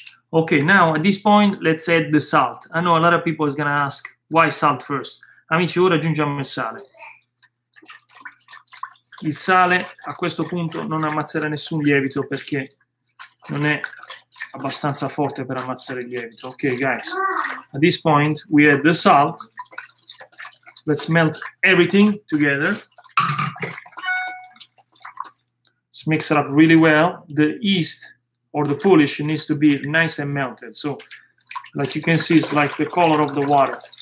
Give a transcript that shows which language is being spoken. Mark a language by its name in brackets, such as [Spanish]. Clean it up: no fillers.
[English] Okay, now at this point, let's add the salt. I know a lot of people is gonna ask, why salt first? [Italian] Amici, ora aggiungiamo il sale. Il sale, a questo punto, non ammazzerà nessun lievito perché non è abbastanza forte per ammazzare il lievito. [English] Okay, guys, at this point, we add the salt. Let's melt everything together. Let's mix it up really well. The yeast, or the polish, needs to be nice and melted. So, like you can see, it's like the color of the water.